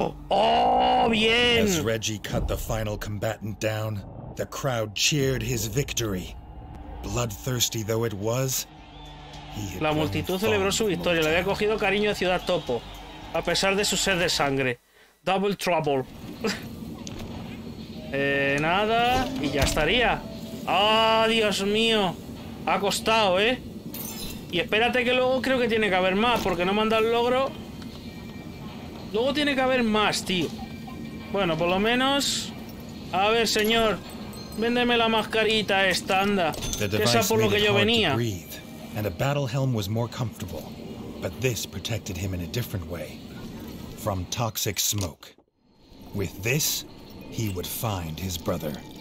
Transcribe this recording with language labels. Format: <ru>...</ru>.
<en>As Reggie cut the final combatant down, the crowd cheered his victory. Bloodthirsty though it was, he had</en> <es>la multitud celebró su victoria. Le había cogido cariño a Ciudad Topo, a pesar de su sed de sangre.</es> <en>Double trouble.</en> <es>nada y ya estaría. Ah, Dios mío, ha costado, Y espérate que luego creo que tiene que haber más, porque no me han dado el logro. Luego tiene que haber más, tío. Bueno, por lo menos... A ver, señor. Véndeme la mascarita esta, anda. Que esa por lo que yo venía.</es> <en>Breathe, and a battle helm was more comfortable. But this protected him in a different way. From toxic smoke. With this, he would find his brother.</en>